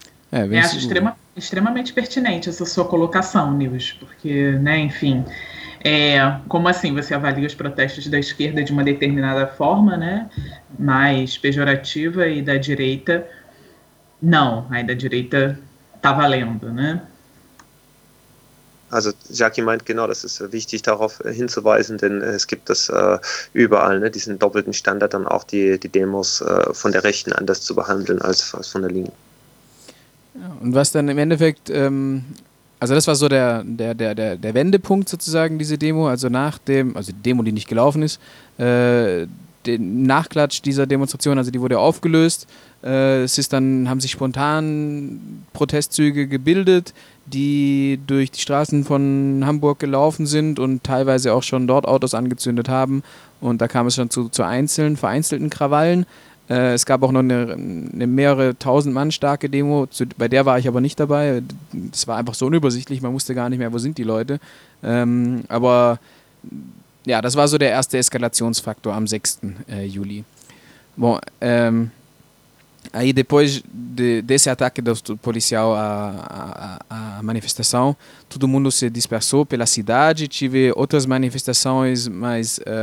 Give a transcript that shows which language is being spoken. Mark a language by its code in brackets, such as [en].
[pt] Acho extremamente pertinente essa sua colocação, Nils, porque, né, enfim, como assim você avalia os protestos da esquerda de uma determinada forma, né, mais pejorativa, e da direita, não, aí da direita tá valendo, né? [de] Also, Jackie meint genau, das ist wichtig, darauf hinzuweisen, denn es gibt das überall, ne, diesen doppelten Standard, dann auch die Demos von der Rechten anders zu behandeln als von der Linken. Und was dann im Endeffekt, also das war so der Wendepunkt sozusagen, diese Demo, also nach dem, also die Demo, die nicht gelaufen ist, den Nachklatsch dieser Demonstration, also die wurde aufgelöst, haben sich spontan Protestzüge gebildet, die durch die Straßen von Hamburg gelaufen sind und teilweise auch schon dort Autos angezündet haben, und da kam es schon zu vereinzelten Krawallen. Es gab auch noch eine mehrere tausend Mann starke Demo, bei der war ich aber nicht dabei. Das war einfach so unübersichtlich, man wusste gar nicht mehr, wo sind die Leute. Aber ja, das war so der erste Eskalationsfaktor am 6. Juli. [pt] Bom, aí depois desse ataque do policial à manifestação, todo mundo se dispersou pela cidade, tive outras manifestações, mas...